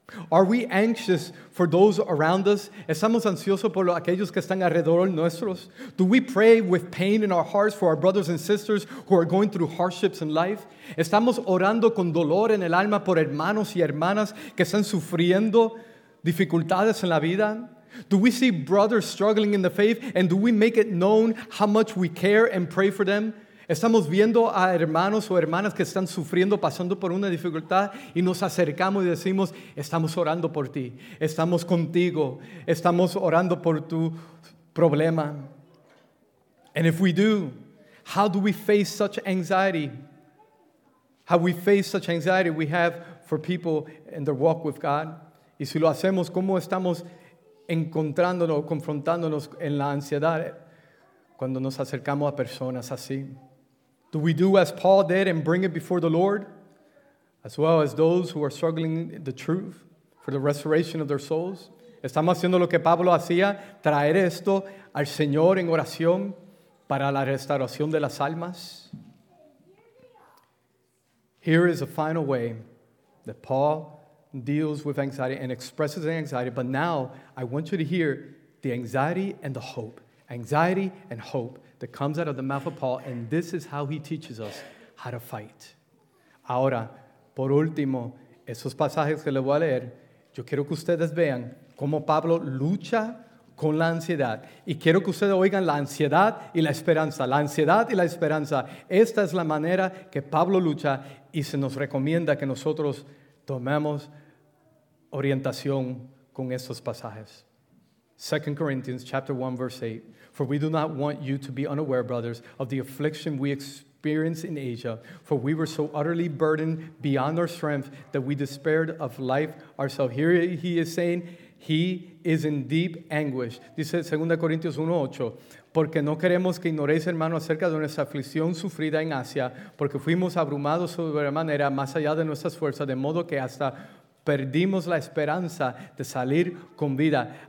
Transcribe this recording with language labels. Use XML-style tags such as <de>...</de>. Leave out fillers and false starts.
<en>Are we anxious for those around us?</en> <es>¿Estamos ansiosos por aquellos que están alrededor nuestros?</es> <en>Do we pray with pain in our hearts for our brothers and sisters who are going through hardships in life?</en> <es>¿Estamos orando con dolor en el alma por hermanos y hermanas que están sufriendo dificultades en la vida?</es> <en>Do we see brothers struggling in the faith and do we make it known how much we care and pray for them?</en> <es>¿Estamos viendo a hermanos o hermanas que están sufriendo, pasando por una dificultad y nos acercamos y decimos, estamos orando por ti, estamos contigo, estamos orando por tu problema?</es> <en>And if we do, how do we face such anxiety? How we face such anxiety we have for people in their walk with God?</en> <es>Y si lo hacemos, ¿cómo estamos encontrándonos, confrontándonos en la ansiedad cuando nos acercamos a personas así?</es> <en>Do we do as Paul did and bring it before the Lord, as well as those who are struggling the truth for the restoration of their souls?</en> <es>¿Estamos haciendo lo que Pablo hacía, traer esto al Señor en oración para la restauración de las almas?</es> <en>Here is a final way that Paul deals with anxiety and expresses anxiety, but now I want you to hear the anxiety and the hope. Anxiety and hope. That comes out of the mouth of Paul, and this is how he teaches us how to fight.</en> <es>Ahora, por último, esos pasajes que le voy a leer, yo quiero que ustedes vean cómo Pablo lucha con la ansiedad. Y quiero que ustedes oigan la ansiedad y la esperanza. La ansiedad y la esperanza. Esta es la manera que Pablo lucha y se nos recomienda que nosotros tomemos orientación con estos pasajes.</es> <en>2 Corinthians chapter 1, verse 8. For we do not want you to be unaware, brothers, of the affliction we experienced in Asia. For we were so utterly burdened beyond our strength that we despaired of life ourselves. Here he is saying he is in deep anguish.</en> <es>Dice 2 Corintios 1:8. Porque no queremos que ignoréis, hermano, acerca de nuestra aflicción sufrida en Asia, porque fuimos abrumados sobremanera más allá de nuestras fuerzas, de modo que hasta perdimos la esperanza de salir con vida.</es>